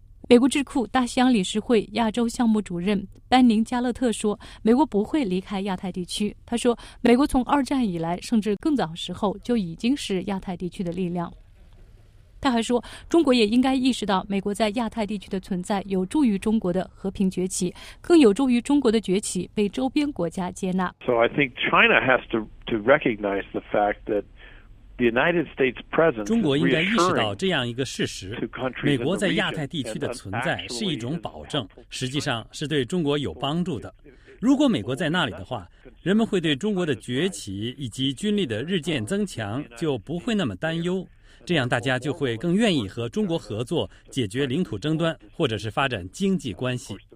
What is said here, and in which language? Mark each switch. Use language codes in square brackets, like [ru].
[zh] 美国智库大西洋理事会亚洲项目主任班宁·加勒特说，美国不会离开亚太地区。他说，美国从二战以来，甚至更早时候就已经是亚太地区的力量。他还说，中国也应该意识到美国在亚太地区的存在有助于中国的和平崛起，更有助于中国的崛起被周边国家接纳。 [en] So I think China has to recognize the fact that [zh] 中国应该意识到这样一个事实，美国在亚太地区的存在是一种保证，实际上是对中国有帮助的。如果美国在那里的话，人们会对中国的崛起以及军力的日渐增强就不会那么担忧，这样大家就会更愿意和中国合作，解决领土争端或者是发展经济关系。